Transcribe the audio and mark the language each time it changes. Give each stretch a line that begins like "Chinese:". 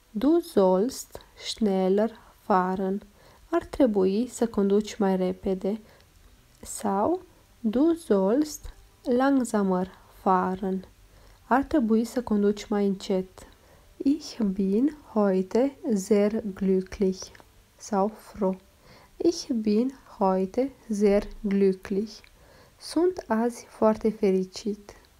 German: Du sollst schneller fahren.
Romanian: Ar trebui să conduci mai repede.
German: Sau du sollst langsamer fahren.
Romanian: Ar trebui să conduci mai încet.
German: Ich bin heute sehr glücklich.
Romanian: Sau froh.
German: Ich bin heute sehr glücklich.
Romanian: Sunt azi foarte fericit.